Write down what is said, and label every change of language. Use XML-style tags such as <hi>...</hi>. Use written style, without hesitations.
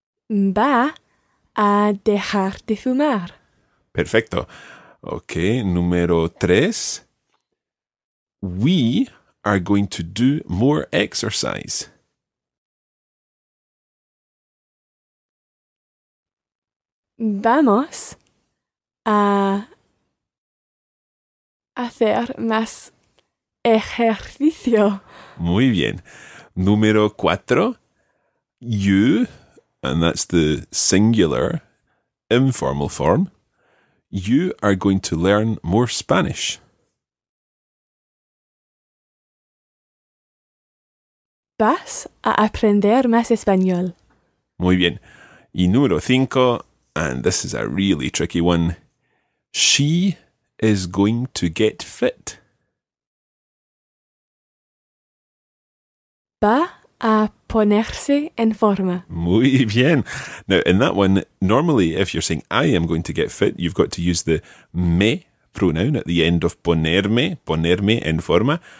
<es>Va a dejar de fumar. Perfecto. Ok. Número tres.</es> <en>We are going to do more exercise.</en> <es>Vamos a hacer más ejercicio. Muy bien. Número cuatro.</es> <en>You, and that's the singular, informal form, you are going to learn more Spanish.</en> <es>Vas a aprender más español. Muy bien. Y número cinco.</es> <en>And this is a really tricky one. She is going to get fit.</en> <es>Va a ponerse en forma. Muy bien.</es> <en>Now, in that one, normally, if you're saying, I am going to get fit, you've got to use the me pronoun at the end of ponerme en forma.</en>